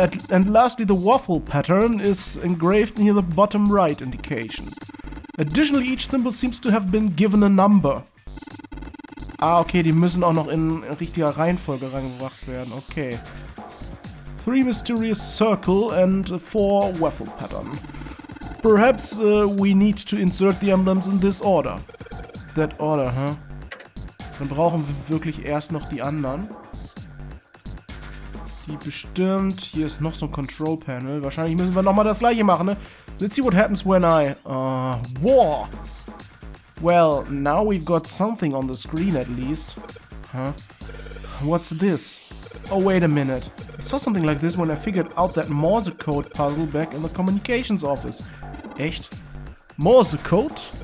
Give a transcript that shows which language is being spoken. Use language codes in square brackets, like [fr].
[en] And lastly, the waffle pattern is engraved near the bottom right indication. Additionally, each symbol seems to have been given a number. [de] Ah, okay, die müssen auch noch in richtiger Reihenfolge reingebracht werden, okay. [en] 3 mysterious circle and 4 waffle pattern. Perhaps we need to insert the emblems in this order. That order, huh? [de] Dann brauchen wir wirklich erst noch die anderen. Die bestimmt. Hier ist noch so ein Control Panel. Wahrscheinlich müssen wir nochmal das gleiche machen, ne? [en] Let's see what happens when I. War! Well, now we've got something on the screen at least. Huh? What's this? Oh, wait a minute. I saw something like this when I figured out that Morse code puzzle back in the communications office. [de] Echt? Morse code?